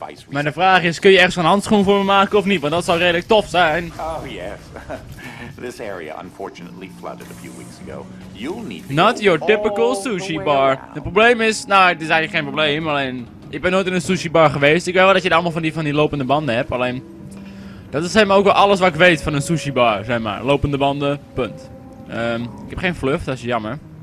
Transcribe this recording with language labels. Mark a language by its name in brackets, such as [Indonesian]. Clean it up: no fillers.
[Dutch] Maar de vraag is, kun je ergens een handschoen voor me maken of niet? Want dat zou redelijk tof zijn. [English] Oh, yes. This area unfortunately flooded a few weeks ago. You'll need not your typical sushi bar. [Dutch] Het probleem is, nou, het is eigenlijk geen probleem, alleen ik ben nooit in een sushi bar geweest. Ik weet wel dat je daar allemaal van die lopende banden hebt, alleen dat is helemaal ook wel alles wat ik weet van een sushi bar, zeg maar. Lopende banden, punt. Ik heb geen fluff, dat is jammer.